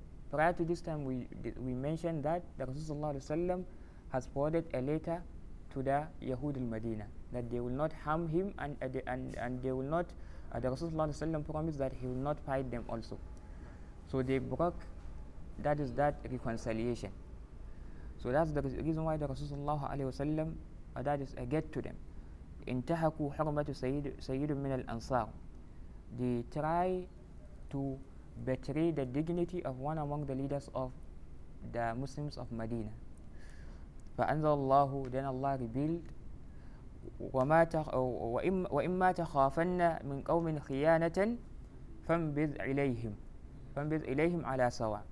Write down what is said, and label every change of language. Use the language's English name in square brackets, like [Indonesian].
[English] Prior to this time, we mentioned that the Rasulullah sallam has forwarded a letter to the Yahud al-Madina that they will not harm him and they will not. The Rasulullah sallam promised that he will not fight them also. So they broke. That is that reconciliation. So that's the reason why the Rasulullah sallam, that is, get to them. [Arabic] انتهكوا حرمة سيد من الأنصار. [English] They try to betray the dignity of one among the leaders of the Muslims of Medina. [Arabic] فأنزل الله, [English] then Allah revealed, [Arabic] وإما تخافن من قوم خيانة فانبذ إليهم على سواء.